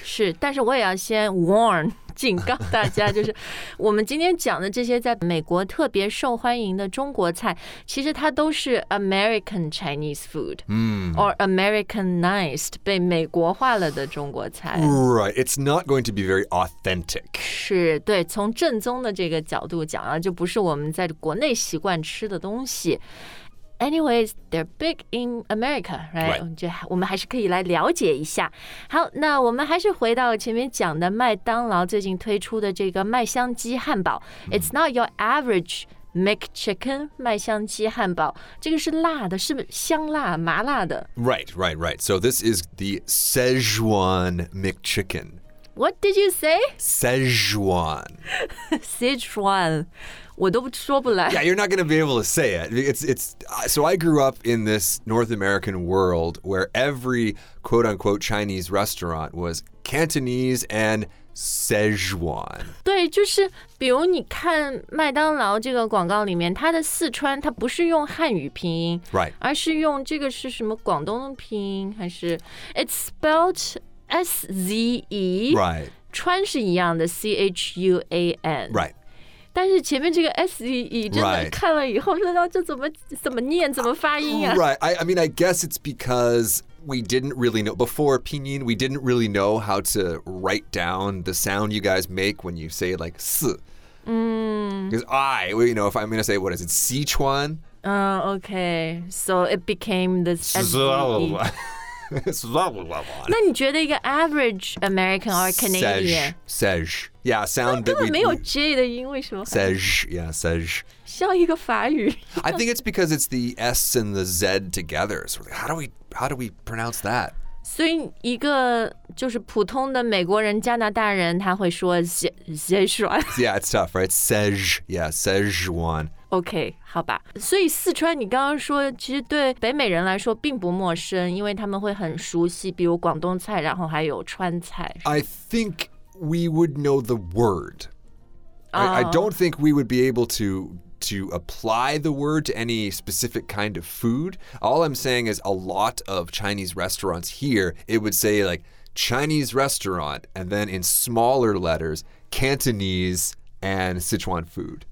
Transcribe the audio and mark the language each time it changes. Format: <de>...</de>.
<zh>是，但是我也要先 warn, 警告大家，就是我们今天讲的这些在美国特别受欢迎的中国菜，其实它都是</zh> <en>American Chinese food, or Americanized,</en> <zh>被美国化了的中国菜。</zh> <en>Right, it's not going to be very authentic.</en> <zh>是，对，从正宗的这个角度讲啊，就不是我们在国内习惯吃的东西。</zh> <en>Anyways, they're big in America, right? Right.</en> <zh>我们还是可以来了解一下。好，那我们还是回到前面讲的麦当劳最近推出的这个麦香鸡汉堡。</zh> <en>It's not your average McChicken,</en> <zh>麦香鸡汉堡。这个是辣的，是香辣，麻辣的。</zh> <en>Right, right, right. So this is the Szechuan McChicken. What did you say? Szechuan.</en> <zh>Szechuan. 我都说不来。</zh> <en>Yeah, you're not going to be able to say it. So I grew up in this North American world where every quote-unquote Chinese restaurant was Cantonese and Szechuan.</en> <zh>对，就是比如你看麦当劳这个广告里面，它的四川它不是用汉语拼音，</zh> <en>right.</en> <zh>而是用这个是什么广东拼音还是</zh> <en>It's spelled S-Z-E. Right.</en> <zh>川是一样的 C-H-U-A-N.</zh> <en>Right.</en> <zh>但是前面这个 S-E-E 真的看了以后不知道这怎么念怎么发音啊</zh> <en>Right, I mean, I guess it's because we didn't really know, before pinyin, we didn't really know how to write down the sound you guys make when you say like S. Because if I'm going to say, what is it, Sichuan? Okay, so it became this S-E-E.</en> <zh>那你觉得一个</zh> <en>average American or Canadian? Sege. Yeah, sound that we...</en> <zh>根本没有 J 的音为什么</zh> <en>Sege, yeah, Sege.</en> <zh>像一个法语。</zh> <en>I think it's because it's the S and the Z together. So like, how do we pronounce that?</en> <zh>所以一个就是普通的美国人、加拿大人他会说 Szechuan.</zh> <en>Yeah, it's tough, right? Sege, yeah, Szechuan.</en> <zh>OK, 好吧。所以四川你刚刚说其实对北美人来说并不陌生因为他们会很熟悉比如广东菜然后还有川菜。</zh> <en>I think we would know the word.、 Oh. I don't think we would be able to apply the word to any specific kind of food. All I'm saying is a lot of Chinese restaurants here, it would say like Chinese restaurant and then in smaller letters, Cantonese and Sichuan food.</en>